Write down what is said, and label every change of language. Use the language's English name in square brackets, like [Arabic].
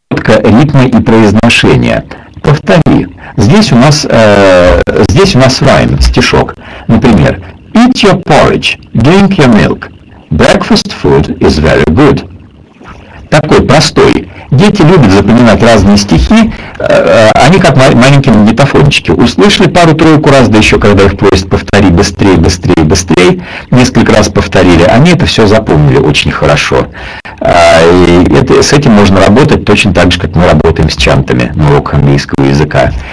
[Russian] это ритмы и произношение. Повтори. Здесь у нас rhyme, стишок. [English] Например, eat your porridge, drink your milk. Breakfast food is very good. [Russian] Такой простой. Дети любят запоминать разные стихи, они как маленькие магнитофончики. Услышали пару-тройку раз, да еще когда их просят повтори быстрее, быстрее, быстрее, несколько раз повторили, они это все запомнили очень хорошо. И с этим можно работать точно так же, как мы работаем с чантами на уроках английского языка.